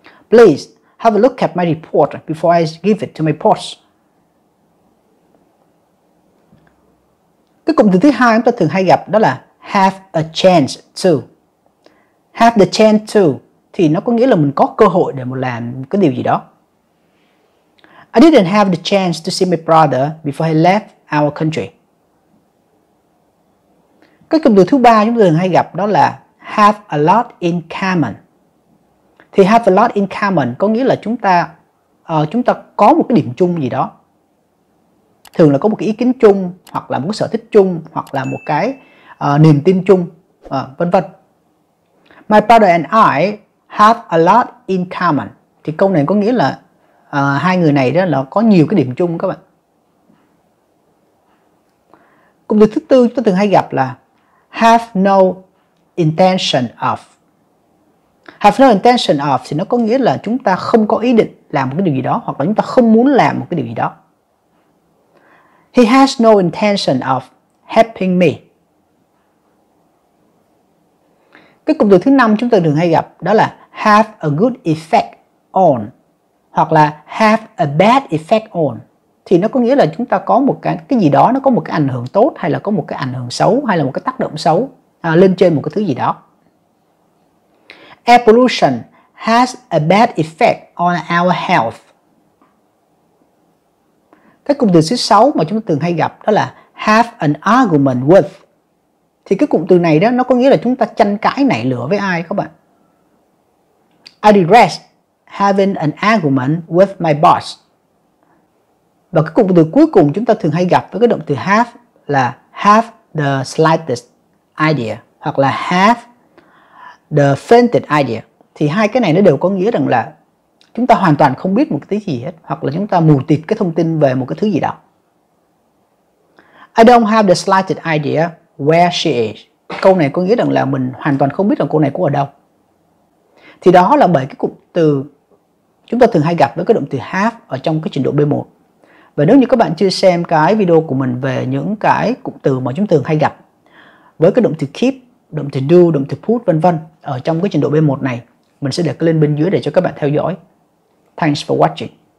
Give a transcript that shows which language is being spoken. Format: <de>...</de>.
<en>Please have a look at my report before I give it to my boss.</en> <vi>Cái cụm từ thứ hai chúng ta thường hay gặp đó là</vi> <en>have a chance to. Have the chance to</en> <vi>thì nó có nghĩa là mình có cơ hội để mà làm cái điều gì đó.</vi> <en>I didn't have the chance to see my brother before he left our country.</en> <vi>Cái cụm từ thứ ba chúng ta thường hay gặp đó là</vi> <en>have a lot in common.</en> <vi>Thì</vi> <en>have a lot in common</en> <vi>có nghĩa là chúng ta có một cái điểm chung gì đó. Thường là có một cái ý kiến chung, hoặc là một cái sở thích chung, hoặc là một cái niềm tin chung, vân vân.</vi> <en>My brother and I have a lot in common.</en> <vi>Thì câu này có nghĩa là hai người này đó là có nhiều cái điểm chung các bạn. Cụm từ thứ tư chúng ta thường hay gặp là</vi> <en>have no intention of. Have no intention of</en> <vi>thì nó có nghĩa là chúng ta không có ý định làm một cái điều gì đó, hoặc là chúng ta không muốn làm một cái điều gì đó.</vi> <en>He has no intention of helping me.</en> <vi>Cái cụm từ thứ năm chúng ta thường hay gặp đó là</vi> <en>have a good effect on,</en> <vi>hoặc là</vi> <en>have a bad effect on.</en> <vi>Thì nó có nghĩa là chúng ta có một cái gì đó, nó có một cái ảnh hưởng tốt, hay là có một cái ảnh hưởng xấu, hay là một cái tác động xấu lên trên một cái thứ gì đó.</vi> <en>Air pollution has a bad effect on our health.</en> <vi>Cái cụm từ thứ sáu mà chúng ta thường hay gặp đó là</vi> <en>have an argument with.</en> <vi>Thì cái cụm từ này đó, nó có nghĩa là chúng ta tranh cãi nảy lửa với ai các bạn.</vi> <en>I regret having an argument with my boss.</en> <vi>Và cái cụm từ cuối cùng chúng ta thường hay gặp với cái động từ have là</vi> <en>have the slightest idea,</en> <vi>hoặc là</vi> <en>have the faintest idea.</en> <vi>Thì hai cái này nó đều có nghĩa rằng là chúng ta hoàn toàn không biết một cái gì hết, hoặc là chúng ta mù tịt cái thông tin về một cái thứ gì đó.</vi> <en>I don't have the slightest idea where she is.</en> <vi>Câu này có nghĩa rằng là mình hoàn toàn không biết rằng cô này có ở đâu. Thì đó là bởi cái cụm từ chúng ta thường hay gặp với cái động từ have ở trong cái trình độ B1. Và nếu như các bạn chưa xem cái video của mình về những cái cụm từ mà chúng thường hay gặp với cái động từ keep, động từ do, động từ put vân vân ở trong cái trình độ B1 này, mình sẽ để cái link bên dưới để cho các bạn theo dõi.</vi> <en>Thanks for watching.</en>